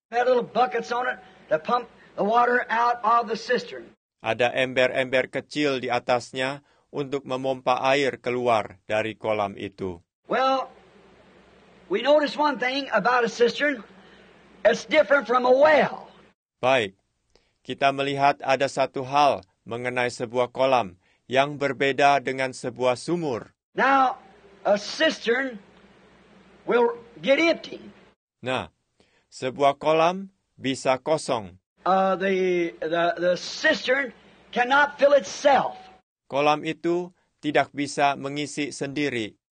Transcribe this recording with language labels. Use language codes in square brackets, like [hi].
[en] Had little buckets on it to pump the water out of the cistern. [id] Ada ember-ember kecil di atasnya untuk memompa air keluar dari kolam itu. [en] Well, we notice one thing about a cistern. It's different from a well. [id] Baik. Kita melihat ada satu hal mengenai sebuah kolam yang berbeda dengan sebuah sumur. [en] Now, a cistern will get empty. [id] Nah, sebuah kolam bisa kosong. [en] The cistern cannot fill itself. [id] Kolam itu tidak bisa mengisi sendiri.